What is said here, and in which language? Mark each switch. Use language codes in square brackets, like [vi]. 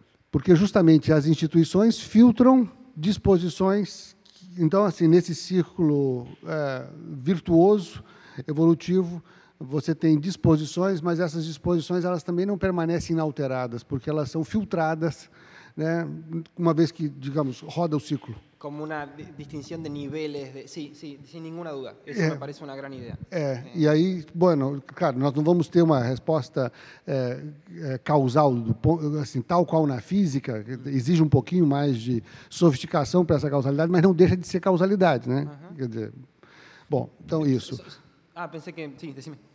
[pt] Porque, justamente, as instituições filtram disposições. Então, assim, nesse círculo virtuoso, evolutivo, você tem disposições, mas essas disposições elas também não permanecem inalteradas, porque elas são filtradas né? Uma vez que, digamos, roda o ciclo. [es] Como una distinción de niveles, de, sí, sí, sin ninguna duda. Eso me parece una gran idea. Y ahí, bueno, claro, [pt] nós não vamos ter uma resposta causal, assim, tal qual na física, exige um pouquinho mais de sofisticação para essa causalidade, mas não deixa de ser causalidade, né? Uh-huh. Quer dizer, bom, então isso. Ah, pensei que... Sim, decime.